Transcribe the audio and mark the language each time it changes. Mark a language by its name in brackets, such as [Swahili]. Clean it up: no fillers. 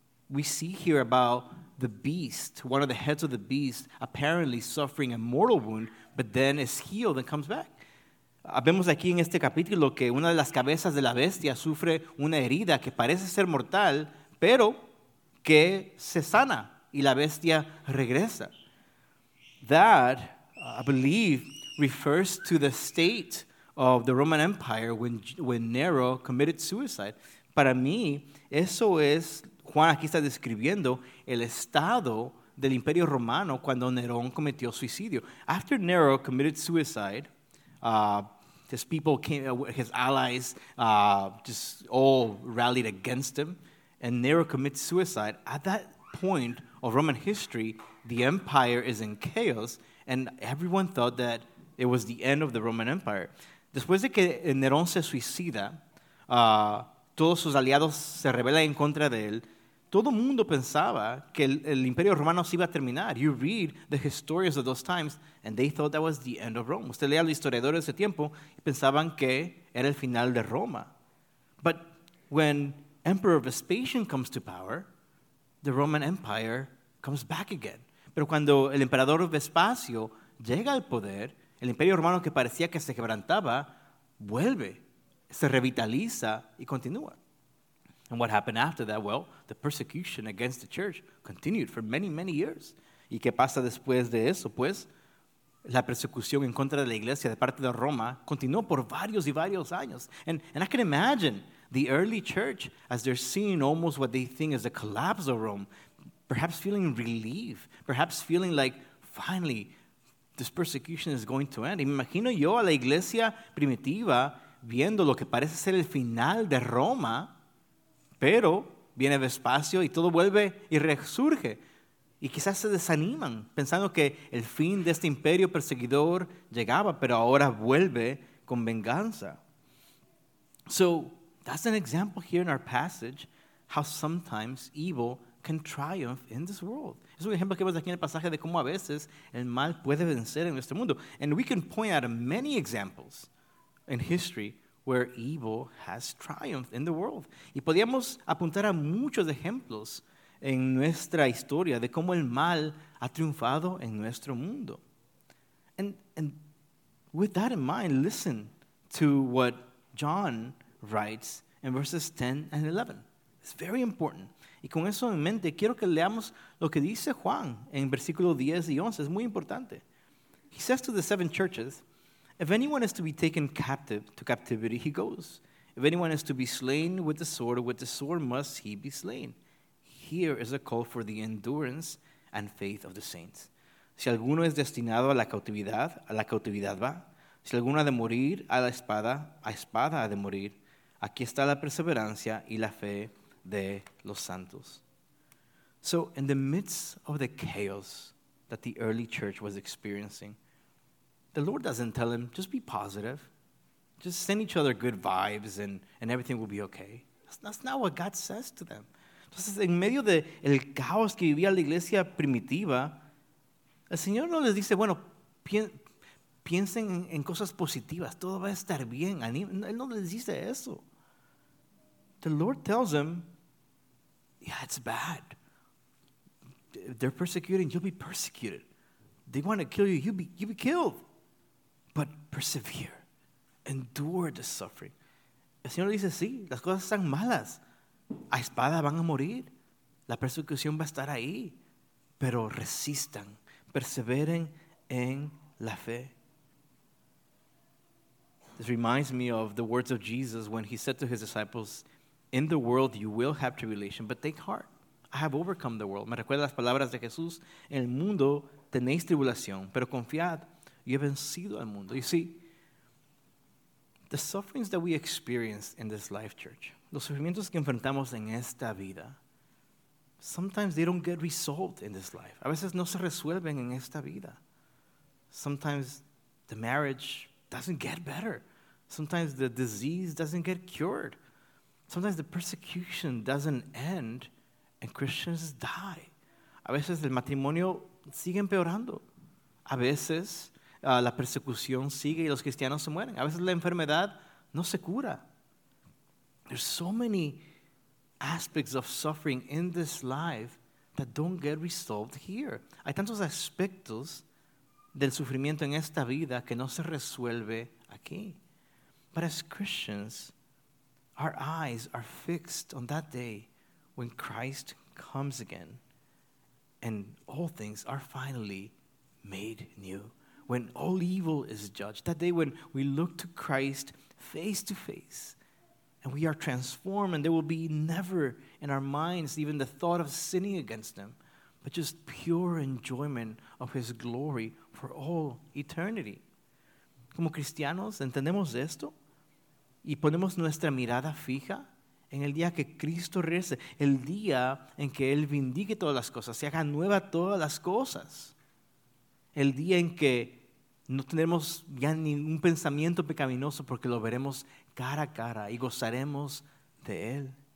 [English] We see here about the beast, one of the heads of the beast, apparently suffering a mortal wound, but then is healed and comes back. [Spanish] Vemos aquí en este capítulo que una de las cabezas de la bestia sufre una herida que parece ser mortal, pero que se sana y la bestia regresa. [English] That, I believe, refers to the state of the Roman Empire when Nero committed suicide. [Spanish] Para mí, eso es, Juan aquí está describiendo el estado del Imperio Romano cuando Nerón cometió suicidio. [English] After Nero committed suicide, his people came, his allies just all rallied against him, and Nero commits suicide. At that point of Roman history, the empire is in chaos, and everyone thought that it was the end of the Roman Empire. [Spanish] Después de que Nerón se suicida, todos sus aliados se rebelan en contra de él. Todo mundo pensaba que el Imperio Romano se iba a terminar. [English] You read the historians of those times, and they thought that was the end of Rome. [Spanish] Usted lee a los historiadores de ese tiempo, y pensaban que era el final de Roma. [English] But when Emperor Vespasian comes to power, the Roman Empire comes back again. [Spanish] Pero cuando el emperador Vespasio llega al poder, el Imperio Romano que parecía que se quebrantaba, vuelve, se revitaliza y continúa. [English] And what happened after that? Well, the persecution against the church continued for many, many years. [Spanish] ¿Y qué pasa después de eso? Pues, la persecución en contra de la iglesia de parte de Roma continuó por varios y varios años. [English] And I can imagine the early church, as they're seeing almost what they think is the collapse of Rome, perhaps feeling relief, perhaps feeling like, finally, this persecution is going to end. [Spanish] Y me imagino yo a la iglesia primitiva viendo lo que parece ser el final de Roma. Pero viene Vespasio y todo vuelve y resurge. Y quizás se desaniman pensando que el fin de este imperio perseguidor llegaba, pero ahora vuelve con venganza. [English] So, that's an example here in our passage how sometimes evil can triumph in this world. [Spanish] Es un ejemplo que vemos aquí en el pasaje de cómo a veces el mal puede vencer en este mundo. [English] And we can point out many examples in history where evil has triumphed in the world. [Spanish] Y podíamos apuntar a muchos ejemplos en nuestra historia de cómo el mal ha triunfado en nuestro mundo. [English] And with that in mind, listen to what John writes in verses 10 and 11. It's very important. [Spanish] Y con eso en mente, quiero que leamos lo que dice Juan en versículos 10 y 11. Es muy importante. [English] He says to the seven churches, "If anyone is to be taken captive to captivity, he goes. If anyone is to be slain with the sword must he be slain. here is a call for the endurance and faith of the saints. [Spanish] Si alguno es destinado a la cautividad va. Si alguno ha de morir a espada ha de morir. Aquí está la perseverancia y la fe de los santos. [English] So in the midst of the chaos that the early church was experiencing, the Lord doesn't tell him, just be positive. Just send each other good vibes and everything will be okay. That's not what God says to them. [Spanish] Entonces, en medio del caos que vivía la iglesia primitiva, el Señor no les dice, bueno, piensen en cosas positivas. Todo va a estar bien. Él no les dice eso. [English] The Lord tells them, yeah, it's bad. If they're persecuting, you'll be persecuted. They want to kill you, you'll be killed. But persevere. Endure the suffering. [Spanish] El Señor dice, sí, las cosas están malas. A espada van a morir. La persecución va a estar ahí. Pero resistan. Perseveren en la fe. [English] This reminds me of the words of Jesus when he said to his disciples, in the world you will have tribulation, but take heart. I have overcome the world. [Spanish] Me recuerda las palabras de Jesús. En el mundo tenéis tribulación, pero confiad, yo he vencido al mundo. [English] You see, the sufferings that we experience in this life, church, [Spanish] los sufrimientos que enfrentamos en esta vida, [English] sometimes they don't get resolved in this life. [Spanish] A veces no se resuelven en esta vida. [English] Sometimes the marriage doesn't get better. Sometimes the disease doesn't get cured. Sometimes the persecution doesn't end and Christians die. [Spanish] A veces el matrimonio sigue empeorando. A veces la persecución sigue y los cristianos se mueren. A veces la enfermedad no se cura. [English] There's so many aspects of suffering in this life that don't get resolved here. [Spanish] Hay tantos aspectos del sufrimiento en esta vida que no se resuelve aquí. [English] But as Christians, our eyes are fixed on that day when Christ comes again and all things are finally made new. When all evil is judged. That day when we look to Christ face to face and we are transformed and there will be never in our minds even the thought of sinning against him, but just pure enjoyment of his glory for all eternity. [Spanish] Como cristianos, entendemos esto y ponemos nuestra mirada fija en el día que Cristo regrese, el día en que Él vindique todas las cosas, se haga nueva todas las cosas. El día en que no tendremos ya ningún pensamiento pecaminoso porque lo veremos cara a cara y gozaremos de Él.